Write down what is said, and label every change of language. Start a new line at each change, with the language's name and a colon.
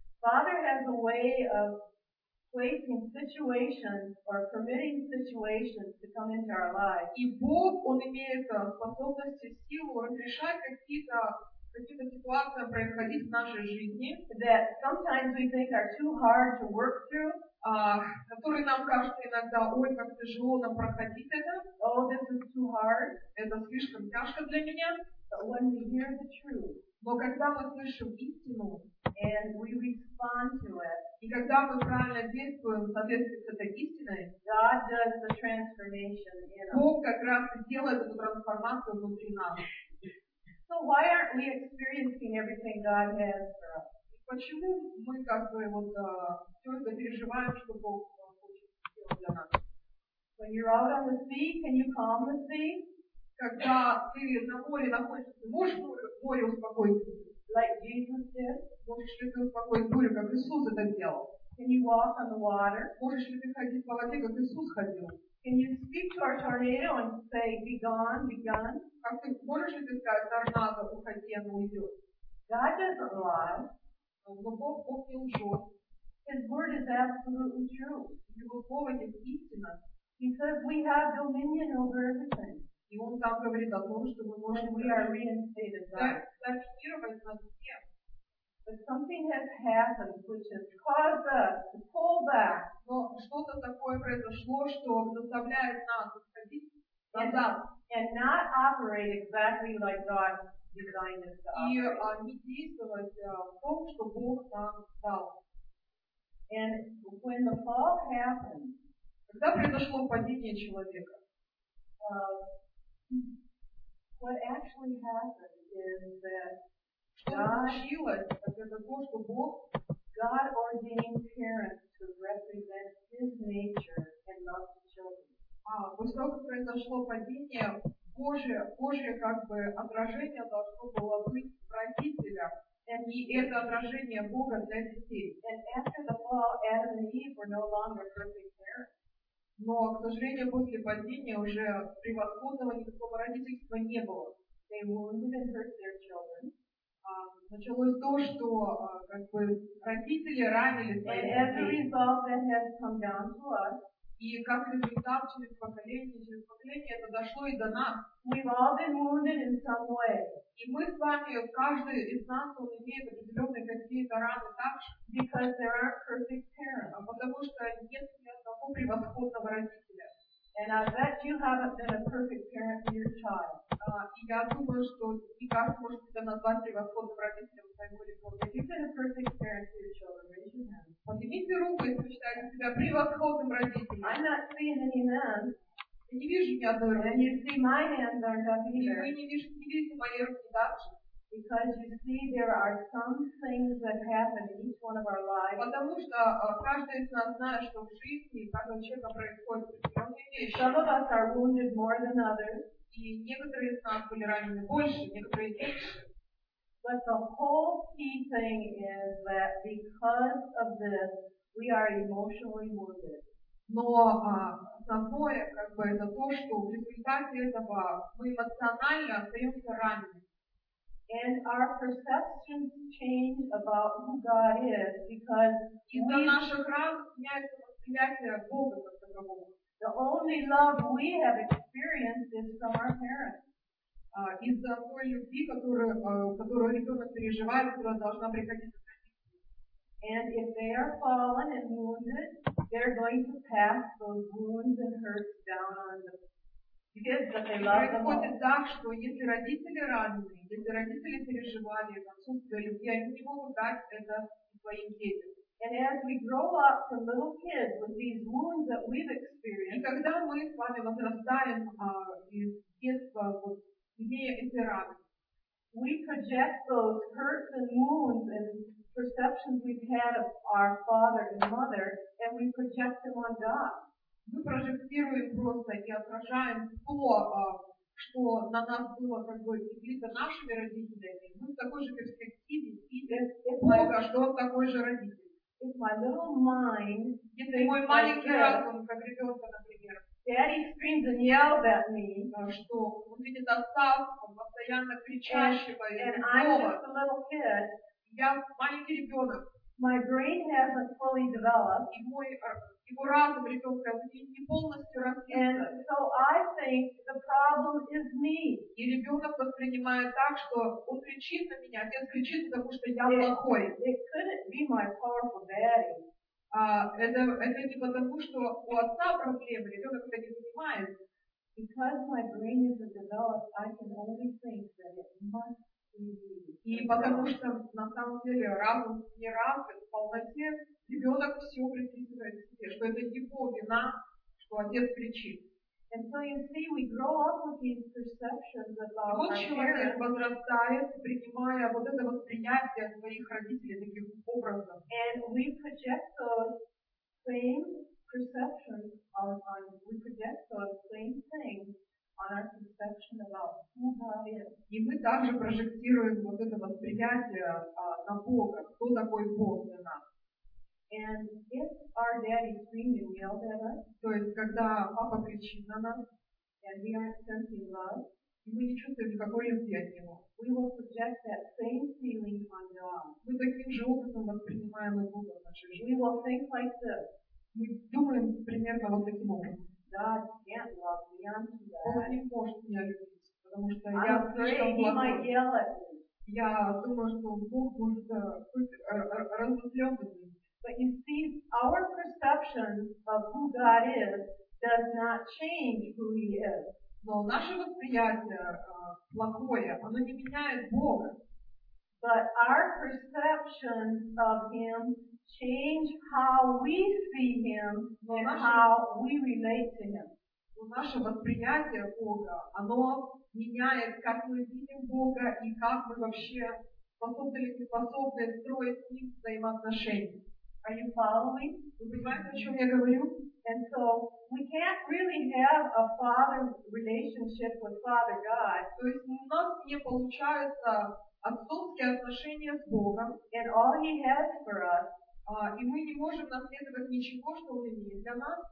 English: Father has a way of placing situations or permitting situations to come into our lives.
Russian: И Бог, Он имеет способность и силу разрешать какие-то ситуации происходить в нашей жизни.
English: That sometimes we think are too hard to work through.
Russian: Которые нам кажется иногда, ой, как тяжело нам проходить это.
English: Oh, this is too hard.
Russian: Это слишком тяжко для меня.
English: But when we hear the truth,
Russian: но когда мы слышим истину,
English: and we respond to it,
Russian: и когда мы правильно действуем в соответствии с этой истиной,
English: God does the transformation in us.
Russian: Бог как раз и делает эту трансформацию внутри нас.
English: So why aren't we experiencing everything God has for us?
Russian: Почему мы как бы вот все это переживаем, что Бог хочет сделать для нас?
English: When you're out on the sea, can you calm the sea?
Russian: Когда ты на море находишься, можешь море успокоить?
English: Like Jesus did.
Russian: Можешь ли ты успокоить бурю, как Иисус это делал?
English: Can you walk on the water?
Russian: Можешь ли ты ходить по воде, как Иисус ходил?
English: Can you speak to our tornado and say, be gone, be gone?
Russian: А ты можешь это сказать, торнадо, уходи, оно уйдет?
English: God doesn't lie.
Russian: Но Бог, Бог не лжет.
English: His word is absolutely true.
Russian: Его слово есть истина.
English: He says we have dominion over everything.
Russian: И он там говорит о том, что мы можем реинфицировать нас всем.
English: But something has happened which has caused us to pull back.
Russian: Но что-то такое произошло, что заставляет нас отходить назад.
English: And not operate exactly like God designed us to operate.
Russian: И не действовать в том, что Бог нам дал.
English: And when the fall happened,
Russian: когда произошло падение человека,
English: what actually happened is that God ordained parents to represent His nature and love to children.
Russian: А, после того, как произошло падение, Божье как бы отражение должно было быть в родителях.
English: And
Russian: и это отражение Бога для детей.
English: And after the fall, Adam and Eve were no longer perfect parents.
Russian: Но, к сожалению, после падения уже превосходного никакого родительства не было.
English: They wounded and hurt their children.
Russian: Началось то, что как бы родители ранили своих детей. И как результат через поколение это дошло и до нас.
English: We've all been wounded in some way.
Russian: И мы с вами, каждый из нас, он имеет определенные какие-то раны также.
English: Because there aren't perfect parents.
Russian: А потому что нет ни одного превосходного родителя.
English: And I bet you haven't been a perfect parent to your child.
Russian: И я думаю, что и как можете это назвать превосходным родителем своего ребенка?
English: You've been a perfect parent to your children, raise your hand.
Russian: Поднимите руку, если вы считаете себя превосходным родителем.
English: I'm not seeing any men.
Russian: Я не вижу ни одной руки.
English: And you see my hands aren't up either.
Russian: И вы не видите мои руки даже.
English: Because you see there are some things that happen in each one of our lives.
Russian: Потому что каждый из нас знает, что в жизни каждого человека происходит определенные вещи.
English: Some of us are wounded more than others.
Russian: И некоторые из нас были ранены больше, некоторые меньше.
English: But the whole key thing is that because of this, we are emotionally wounded.
Russian: Но основное как бы это то, что в результате этого мы эмоционально остаемся ранены.
English: And our perceptions change about who God is because the only love we have experienced is from our parents.
Russian: Из-за той любви, которую ребенок переживает, которая должна приходить от родителей.
English: And if they are fallen and wounded, they're going to pass those wounds and hurts down on them.
Russian: Происходит так, что если родители ранены, если родители переживали отсутствие любви, они не могут дать это своим детям.
English: And as we grow up to little kids with these wounds that we've experienced,
Russian: и когда мы с вами возрастаем из детства, вот где эти раны,
English: we project those hurts and wounds and perceptions we've had of our father and mother, and we project them on God.
Russian: Мы прожектируем просто и отражаем то, что на нас было как бы видно нашими родителями. Мы в такой же перспективе видим Бога, что он такой же родитель.
English: If my little mind,
Russian: если мой маленький разум, как ребенка, например,
English: Daddy screams and yells at me,
Russian: что он видит отца, он постоянно кричащего и злого. Я маленький ребенок.
English: My brain hasn't fully developed.
Russian: И мой его разум ребенка не полностью раскрылся.
English: And so I think the problem is me.
Russian: И ребенок воспринимает так, что он кричит на меня, отец кричит, потому что я плохой.
English: It couldn't be my powerful daddy.
Russian: Это не потому, что у отца проблемы, ребенок это не понимает.
English: Because my brain isn't developed, I can only think that it must.
Russian: И потому что на самом деле разум не развит в полноте, ребенок все приписывает себе, что это его вина, что отец кричит.
English: And so you see, we grow up with these perceptions about our parents.
Russian: Возрастает, принимая вот это восприятие своих родителей таким образом.
English: And we project those same perceptions on we project those same things. On our perception about who God is.
Russian: И мы также прожектируем вот это восприятие на Бога, кто такой Бог для нас.
English: And if our daddy screamed and yelled at us,
Russian: то есть когда папа кричит на нас,
English: and we aren't sensing love,
Russian: и мы не чувствуем никакой любви от него,
English: we will project that same feeling on God.
Russian: Мы таким же образом воспринимаем и Бога в нашей жизни.
English: We will think like this.
Russian: Мы думаем примерно вот таким образом.
English: God can't love me, I'm too bad.
Russian: Он не может меня любить, потому что
English: I'm
Russian: я слишком плохой. Я думаю, что Бог будет разозлённый.
English: But you see, our perception of who God is does not change who He is.
Russian: Но наше восприятие плохое, оно не меняет Бога.
English: But our perception of Him change how we see Him and how we relate to Him.
Russian: Но наше восприятие Бога, оно меняет, как мы видим Бога и как мы вообще способны строить с Ним взаимоотношения.
English: Are you following?
Russian: Вы понимаете, о чем я говорю?
English: And so we can't really have a father relationship with Father God.
Russian: То есть у нас не получаются отцовские отношения с Богом.
English: And all He has for us.
Russian: И мы не можем наследовать ничего, что Он имеет для нас.